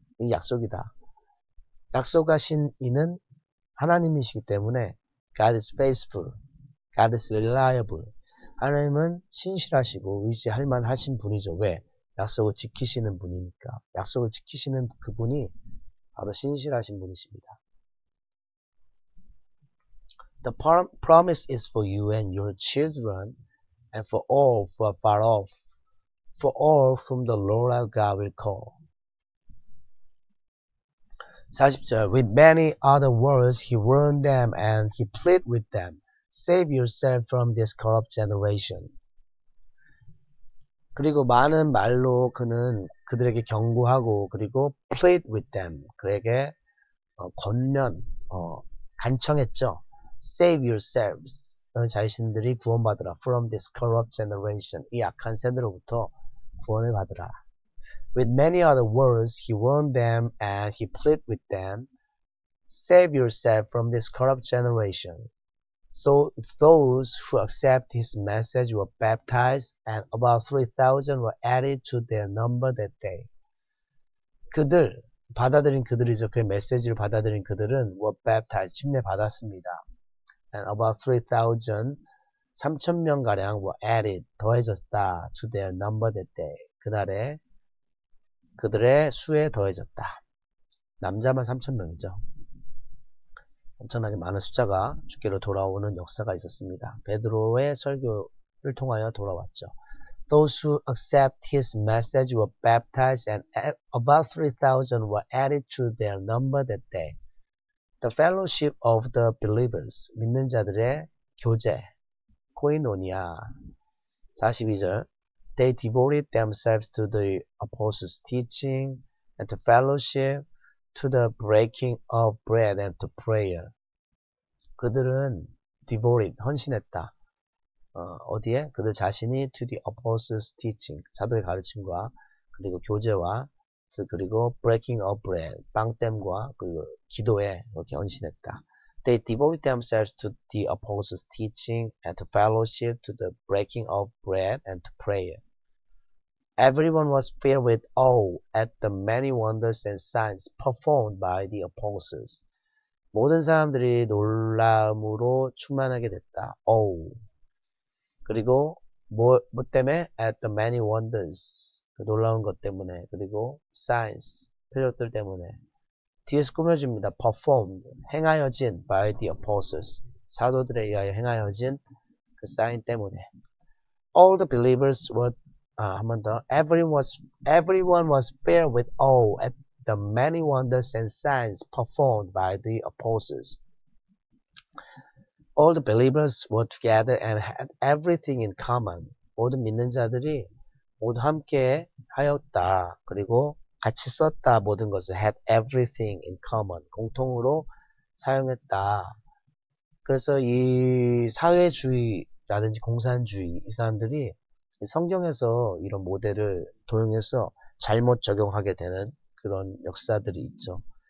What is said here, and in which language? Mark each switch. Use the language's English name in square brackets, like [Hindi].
[Korean] 이 약속이다. 약속하신 이는 하나님이시기 때문에, [English] God is faithful, God is reliable. [Korean] 하나님은 신실하시고 의지할 만하신 분이죠. 왜? 약속을 지키시는 분이니까. 약속을 지키시는 그분이 바로 신실하신 분이십니다. [English] The promise is for you and your children and for all who are far off, for all whom the Lord our God will call. 40절, With many other words he warned them and he pleaded with them. Save yourself from this corrupt generation. [Korean] 그리고 많은 말로 그는 그들에게 경고하고 그리고 [English] plead with them, [Korean] 그에게 권면, 간청했죠. [English] Save yourselves, [Korean] 너희 자신들이 구원받으라. [English] From this corrupt generation, [Korean] 이 악한 세대로부터 구원을 받으라. [English] With many other words, he warned them and he pleaded with them. Save yourself from this corrupt generation. So those who accept his message were baptized and about 3,000 were added to their number that day. [Korean] 그들, 받아들인 그들이죠. 그 메시지를 받아들인 그들은 [English] were baptized, [Korean] 침례 받았습니다. [English] And about 3,000, [Korean] 3,000명가량 [English] were added, [Korean] 더해졌다 [English] to their number that day. [Korean] 그날에 그들의 수에 더해졌다. 남자만 3,000명이죠. 엄청나게 많은 숫자가 주께로 돌아오는 역사가 있었습니다. 베드로의 설교를 통하여 돌아왔죠. [English] Those who accept his message were baptized and about 3,000 were added to their number that day. The fellowship of the believers, [Korean] 믿는 자들의 교제, 코이노니아. [English] 42절, They devoted themselves to the apostles' teaching and to fellowship, to the breaking of bread and to prayer. [Korean] 그들은 [English] devoted, [Korean] 헌신했다. 어디에? 그들 자신이 [English] to the apostles' teaching, [Korean] 사도의 가르침과 그리고 교제와 그리고 [English] breaking of bread, [Korean] 빵땜과 그리고 기도에 이렇게 헌신했다. [English] They devoted themselves to the apostles' teaching and to fellowship, to the breaking of bread and to prayer. Everyone was filled with awe at the many wonders and signs performed by the apostles. [Korean] 모든 사람들이 놀라움으로 충만하게 됐다. Oh. 그리고 뭐 때문에? [English] At the many wonders. [Korean] 그 놀라운 것 때문에. 그리고 signs. 표적들 때문에. 뒤에서 꾸며줍니다. [English] Performed. [Korean] 행하여진 [English] by the apostles. [Korean] 사도들에 의하여 행하여진 그 sign 때문에. [English] All the believers were, 한 번 더. Everyone was filled with awe at the many wonders and signs performed by the apostles. All the believers were together and had everything in common. [Korean] 모든 믿는 자들이 모두 함께 하였다. 그리고 같이 썼다. 모든 것을 [English] had everything in common. [Korean] 공통으로 사용했다. 그래서 이 사회주의라든지 공산주의 이 사람들이 성경에서 이런 모델을 도용해서 잘못 적용하게 되는 그런 역사들이 있죠.